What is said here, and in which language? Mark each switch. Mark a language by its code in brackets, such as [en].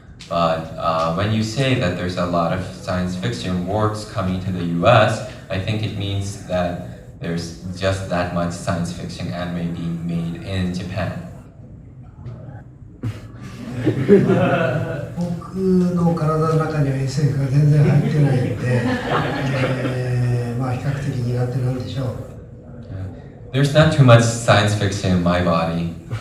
[en] But when you say that there's a lot of science fiction works coming to the US, I think it means that there's just that much science fiction anime being made in Japan. [ja] の体の中には SF が全然入ってないので、まあ比較的苦手なんでしょう。 [en] There's not too much science fiction in my body.